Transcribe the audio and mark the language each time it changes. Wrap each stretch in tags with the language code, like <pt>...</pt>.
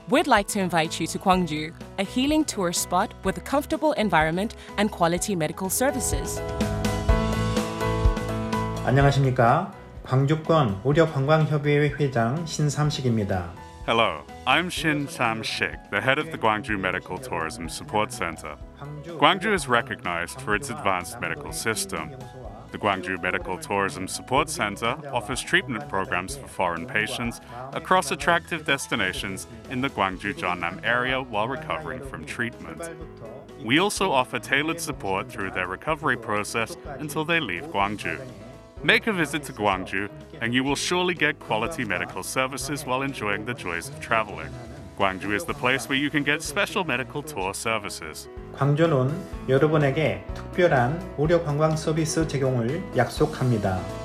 <en>We'd like to invite you to Gwangju, a healing tourist spot with a comfortable environment and quality medical services.</en> <ko>안녕하십니까? 광주권 의료 관광협의회 회장 신삼식입니다.</ko> <en>Hello, I'm Shin Sam-shik, the head of the Gwangju Medical Tourism Support Center. Gwangju is recognized for its advanced medical system. The Gwangju Medical Tourism Support Center offers treatment programs for foreign patients across attractive destinations in the Gwangju-Jeonnam area while recovering from treatment. We also offer tailored support through their recovery process until they leave Gwangju. Make a visit to Gwangju, and you will surely get quality medical services while enjoying the joys of traveling. Gwangju is the place where you can get special medical tour services.</en> <ko>광주는 여러분에게 특별한 의료 관광 서비스 제공을 약속합니다.</ko>